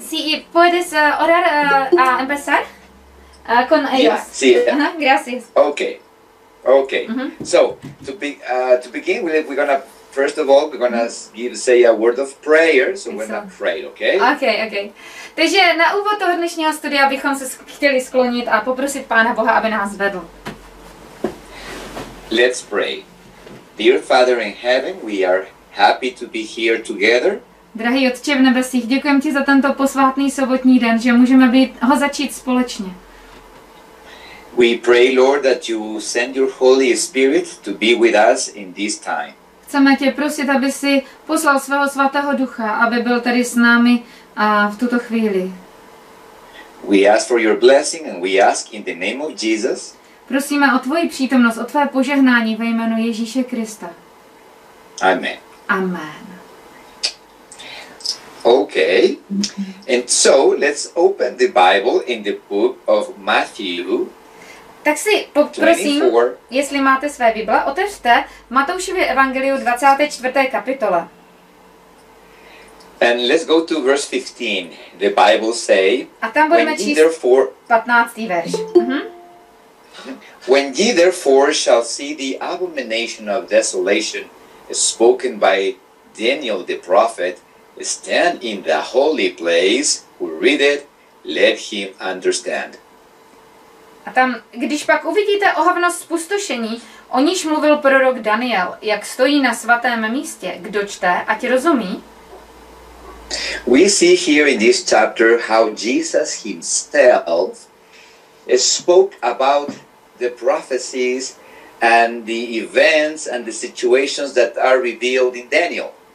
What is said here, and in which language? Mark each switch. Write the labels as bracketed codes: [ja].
[es] Sí, puedes orar a empezar con ellos. Yeah, sí. Gracias. [en] Okay, so to begin with, we're gonna first of all say a word of prayer, so we're gonna pray, okay? Okay. [cs] Takže na úvod toho dnešního studia bychom se chtěli sklonit a poprosit Pána Boha, aby nás vedl. [en] Let's pray. Dear Father in heaven, we are happy to be here together. [cs] Drahý Otče v nebesích, děkujeme ti za tento posvátný sobotní den, že můžeme být ho začít společně. [en] We pray, Lord, that you send your Holy Spirit to be with us in this time. [cs] Chceme tě prosit, aby si poslal svého svatého ducha, aby byl tady s námi v tuto chvíli. [en] We ask for your blessing and we ask in the name of Jesus. [cs] Prosíme o tvoji přítomnost, o tvé požehnání ve jménu Ježíše Krista. Amen. Amen. [en] Okay, and so let's open the Bible in the book of Matthew. [cs] Tak si poprosím, jestli máte své Bible, otevřte Matoušově evangeliu 24. kapitole. [en] And let's go to verse 15. The Bible say, [cs] a tam budeme číst 15. verš. [en] When ye therefore shall see the abomination of desolation spoken by Daniel the prophet, stand in the holy place, who read it, let him understand. [cs] A tam, když pak uvidíte ohavnost spustošení, o níž mluvil prorok Daniel, jak stojí na svatém místě, kdo čte, ať rozumí. [en] We see here in this chapter how Jesus himself spoke about the prophecies and the events and the situations that are revealed in Daniel.